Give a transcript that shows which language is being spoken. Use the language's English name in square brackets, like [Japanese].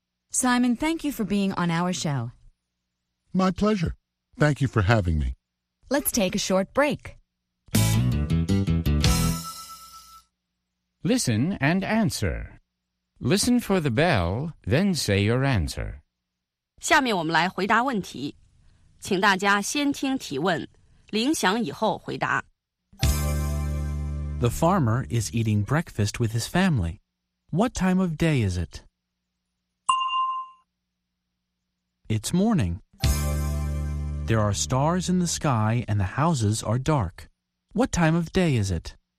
[English] Simon, thank you for being on our show. My pleasure. Thank you for having me. Let's take a short break. Listen and answer. Listen for the bell, then say your answer. [Chinese] 下面我们来回答问题。请大家先听提问，铃响以后回答。 [English] The farmer is eating breakfast with his family. What time of day is it? It's morning. There are stars in the sky and the houses are dark. What time of day is it?